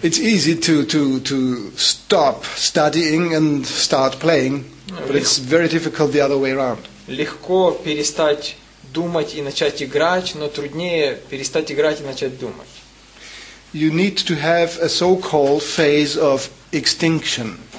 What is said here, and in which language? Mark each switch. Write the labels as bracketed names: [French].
[English] It's easy to stop studying and start playing, but it's very difficult the other way around. [Russian] Легко перестать думать и начать играть, но труднее перестать играть и начать думать. [English] You need to have a so-called phase of extinction.